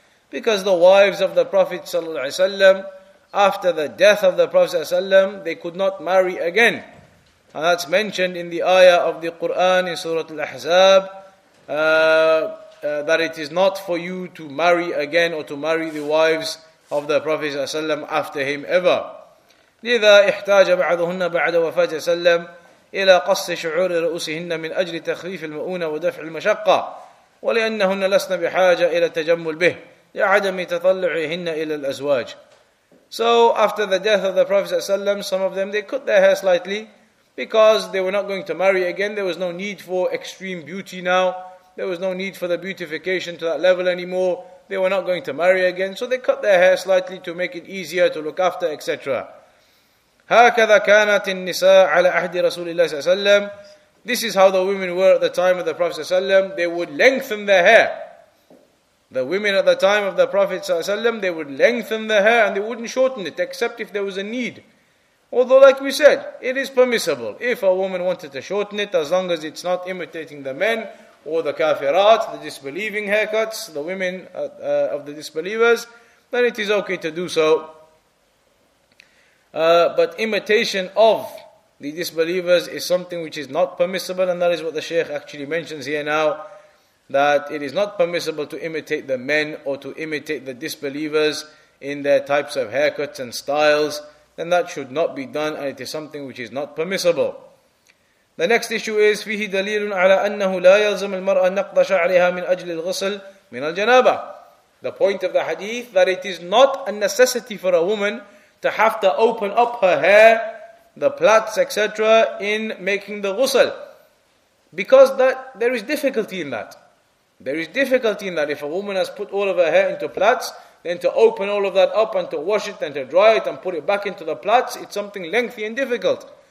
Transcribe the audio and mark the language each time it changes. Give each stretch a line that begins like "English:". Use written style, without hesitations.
English: Because the wives of the Prophet sallallahu alaihi wasallam, after the death of the Prophet sallallahu alaihi wasallam, they could not marry again. And that's mentioned in the ayah of the Quran in Surah Al-Ahzab, that it is not for you to marry again or to marry the wives of the Prophet ﷺ after him ever.
Arabic: لذا احتاج بعضهن بعد وفاة ﷺ إلى قص شعور رؤوسهن من أجل تخفيف المؤونة ودفع المشقة ولأنهن لسن بحاجة إلى تجمل به لعدم تطلعهن إلى الأزواج.
English: So after the death of the Prophet ﷺ, some of them, they cut their hair slightly because they were not going to marry again. There was no need for extreme beauty now. There was no need for the beautification to that level anymore. They were not going to marry again, so they cut their hair slightly to make it easier to look after, etc.
Arabic: هكذا كانت النساء على عهد رسول الله صلى الله عليه وسلم.
English: This is how the women were at the time of the Prophet صلى الله عليه وسلم. They would lengthen their hair. The women at the time of the Prophet صلى الله عليه وسلم, they would lengthen their hair and they wouldn't shorten it, except if there was a need. Although, like we said, it is permissible. If a woman wanted to shorten it, as long as it's not imitating the men, or the kafirat, the disbelieving haircuts, the women of the disbelievers, then it is okay to do so. But imitation of the disbelievers is something which is not permissible, and that is what the Shaykh actually mentions here now, that it is not permissible to imitate the men or to imitate the disbelievers in their types of haircuts and styles, then that should not be done, and it is something which is not permissible. The next issue is
Arabic: فيه دليل على أنه لا يلزم المرأة نقض شعرها من أجل الغسل من الجنابة.
English: The point of the hadith that it is not a necessity for a woman to have to open up her hair, the plaits, etc., in making the ghusl, because that there is difficulty in that. There is difficulty in that. If a woman has put all of her hair into plaits, then to open all of that up and to wash it and to dry it and put it back into the plaits, it's something lengthy and difficult.